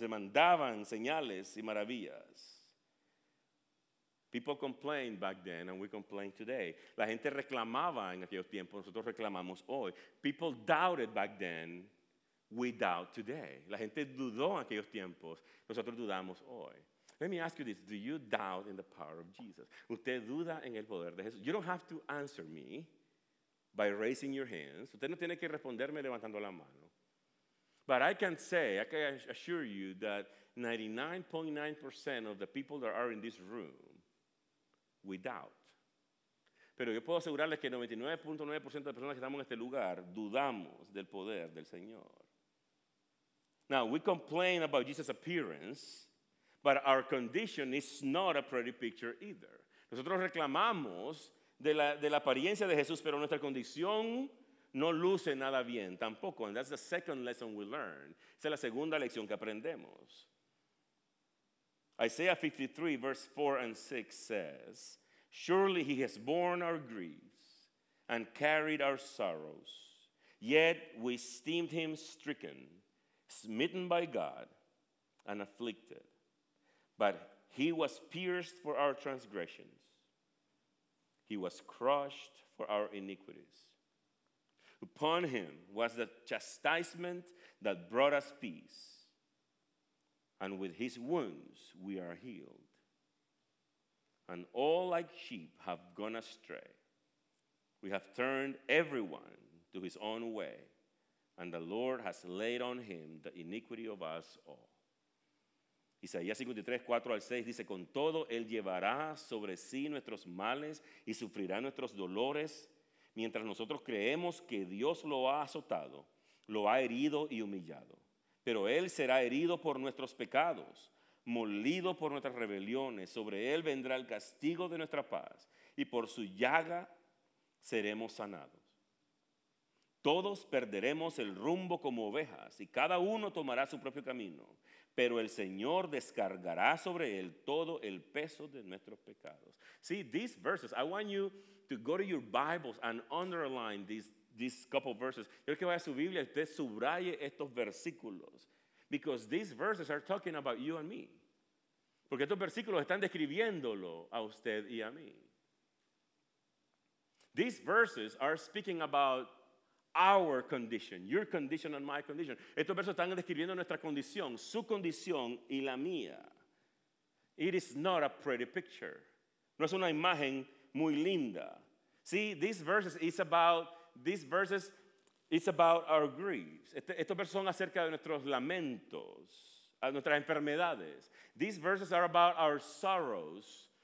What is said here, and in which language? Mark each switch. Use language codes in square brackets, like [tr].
[es] Demandaban señales y maravillas. [en] People complained back then and we complain today. [es] La gente reclamaba en aquellos tiempos, nosotros reclamamos hoy. [en] People doubted back then, we doubt today. [es] La gente dudó en aquellos tiempos, nosotros dudamos hoy. [en] Let me ask you this. Do you doubt in the power of Jesus? [es] ¿Usted duda en el poder de Jesús? [en] You don't have to answer me by raising your hands. [es] Usted no tiene que responderme levantando la mano. [en] But I can assure you that 99.9% of the people that are in this room, we doubt. [es] Pero yo puedo asegurarles que 99.9% de personas que estamos en este lugar dudamos del poder del Señor. [en] Now, we complain about Jesus' appearance. But our condition is not a pretty picture either. [es] Nosotros reclamamos de la apariencia de Jesús, pero nuestra condición no luce nada bien tampoco. [en] And that's the second lesson we learn. [es] Esa es la segunda lección que aprendemos. [en] Isaiah 53, verse 4 and 6 says, surely he has borne our griefs and carried our sorrows. Yet we esteemed him stricken, smitten by God, and afflicted. But he was pierced for our transgressions. He was crushed for our iniquities. Upon him was the chastisement that brought us peace. And with his wounds we are healed. and all like sheep have gone astray. We have turned everyone to his own way, and the Lord has laid on him the iniquity of us all. [es] Isaías 53, 4 al 6 dice, con todo, él llevará sobre sí nuestros males y sufrirá nuestros dolores. Mientras nosotros creemos que Dios lo ha azotado, lo ha herido y humillado. Pero él será herido por nuestros pecados, molido por nuestras rebeliones. Sobre él vendrá el castigo de nuestra paz y por su llaga seremos sanados. Todos perderemos el rumbo como ovejas y cada uno tomará su propio camino. Pero el Señor descargará sobre él todo el peso de nuestros pecados. [en] See, these verses, I want you to go to your Bibles and underline these couple of verses. [es] Quiero que vaya a su Biblia y usted subraye estos versículos. [en] Because these verses are talking about you and me. [es] Porque estos versículos están describiéndolo a usted y a mí. [en] These verses are speaking about our condition, your condition and my condition. [es] Estos versos están describiendo nuestra condición, su condición y la mía. [en] It is not a pretty picture. [es] No es una imagen muy linda. [en] See, these verses is about our griefs. [es] Estos versos son acerca de nuestros lamentos, nuestras enfermedades. [en] These verses are about our sorrows.